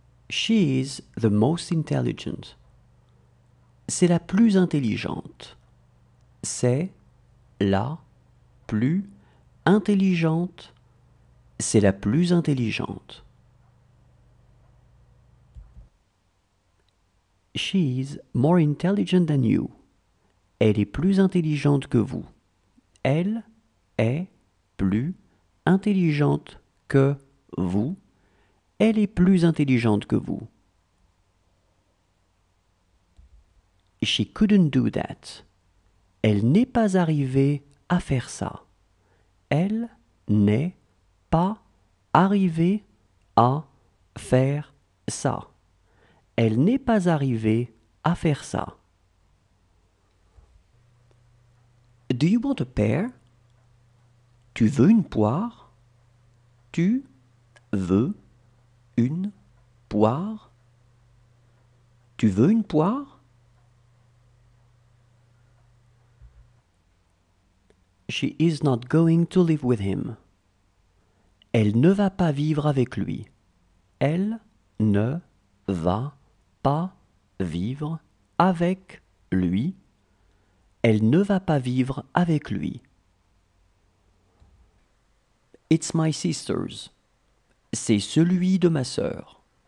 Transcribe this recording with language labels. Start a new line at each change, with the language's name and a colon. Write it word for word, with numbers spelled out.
English: She is the most intelligent.
French: C'est la plus intelligente. C'est la plus intelligente. C'est la plus intelligente.
English: She is more intelligent than you.
French: Elle est plus intelligente que vous. Elle est plus intelligente que vous. Elle est plus intelligente que vous.
English: She couldn't do that.
French: Elle n'est pas arrivée à faire ça. Elle n'est pas arrivée à faire ça. Elle n'est pas arrivée à faire ça.
English: Do you want a pear?
French: Tu veux une poire? Tu veux une poire? Tu veux une poire?
English: She is not going to live with him.
French: Elle ne va pas vivre avec lui. Elle ne va pas vivre avec lui. Elle ne va pas vivre avec lui.
English: It's my sister's.
French: C'est celui de ma sœur.